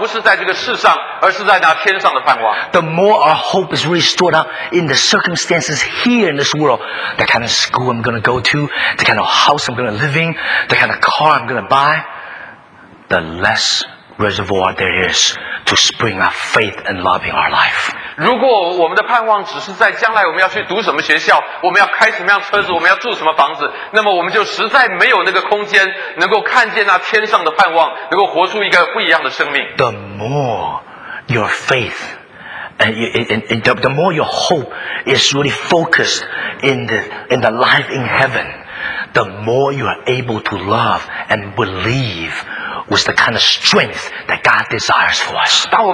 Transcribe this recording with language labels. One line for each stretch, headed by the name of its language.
Chinese: 我们看见，在这个世界上能够过出那真正有信心、有爱心生活的人，常常他们的盼望不是在这个世上，而是在那天上的盼望。
English: The more our hope is really stored up in the circumstances here in this world, the kind of school I'm going to go to, the kind of house I'm going to live in, the kind of car I'm going to buy, the less reservoir there is to spring up faith and love in our life.
Chinese: 如果我们的盼望只是在将来我们要去读什么学校，我们要开什么样车子，我们要住什么房子，那么我们就实在没有那个空间能够看见那天上的盼望，能够活出一个不一样的生命。
English: The more your faith and the more your hope is really focused in the life in heaven, the more you are able to love and believe was the kind of strength that God desires for us.